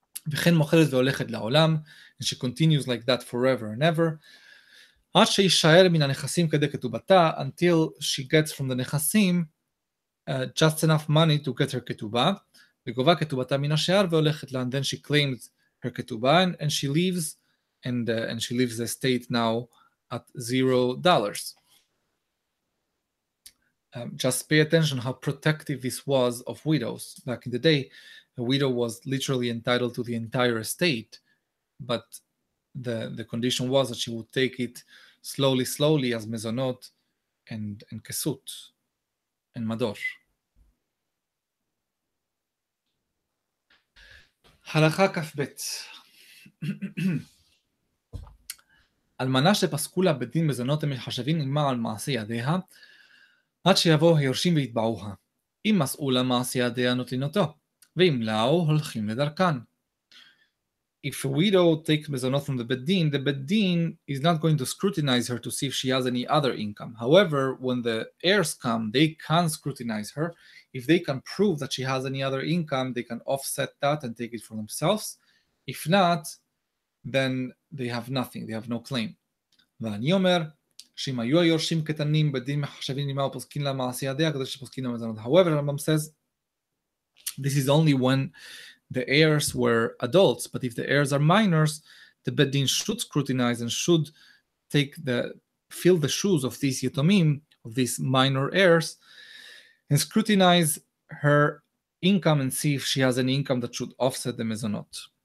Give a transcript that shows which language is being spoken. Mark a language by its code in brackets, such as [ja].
[he] וכן מוכרת והולכת לעולם, [en] and she continues like that forever and ever, [he] עד שישאר מן הנכסים כדי כתובתה, [en] until she gets from the נכסים, just enough money to get her כתובה, [he] וגובה כתובתה מן השאר והולכת לה, [en] and then she claims her כתובה, and she leaves, and she leaves the estate now at $0. Just pay attention how protective this was of widows. Back in the day, a widow was literally entitled to the entire estate, but the condition was that she would take it slowly, slowly as mezonot and kesut and mador. [he] הלכה כף בית. אלמנה שפסקו לה בדין מזונות הם מחשבים עמה על מעשי ידיה, עד שיבואו היורשים ויתבעוה. אם מסעו לה מעשי ידיה נותנים אותו, ואם לאו הולכים לדרכן. [en] If a widow takes mezonot from the Bedin is not going to scrutinize her to see if she has any other income. However, when the heirs come, they can scrutinize her. If they can prove that she has any other income, they can offset that and take it for themselves. If not, then they have nothing. They have no claim. [he] ואני אומר, שאם היו היורשים קטנים בדין מחשבים ממה ופוסקים לה מעשי ידיה, כדי שפוסקים לה מזונות. [en] However, Rambam says, this is only when the heirs were adults, but if the heirs are minors, the Bedin should scrutinize and should fill the shoes of these yetomim, of these minor heirs, and scrutinize her income and see if she has an income that should offset the mezonot.